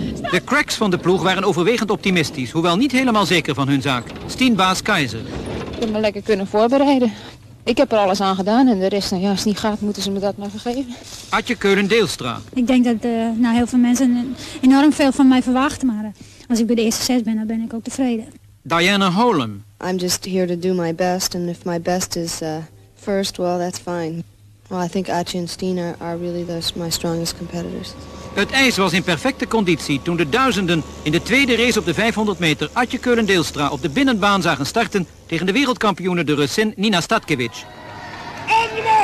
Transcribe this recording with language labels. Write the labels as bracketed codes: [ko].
[nl] De cracks van de ploeg waren overwegend optimistisch, hoewel niet helemaal zeker van hun zaak. Steenbaas Keizer. Ik heb me lekker kunnen voorbereiden. Ik heb er alles aan gedaan en de rest, nou ja, als het niet gaat, moeten ze me dat maar vergeven. Adje Keulen-Deelstra. Ik denk dat heel veel mensen enorm veel van mij verwachten, maar als ik bij de eerste 6 ben, dan ben ik ook tevreden. Diana Holem. [en] I'm just here to do my best and if my best is first, well, that's fine. Well, I think Adje en Steen are really those my strongest competitors. [nl] Het ijs was in perfecte conditie toen de duizenden in de tweede race op de 500 meter Adje Keulen-Deelstra op de binnenbaan zagen starten tegen de wereldkampioene de Russin Nina Statkevich. En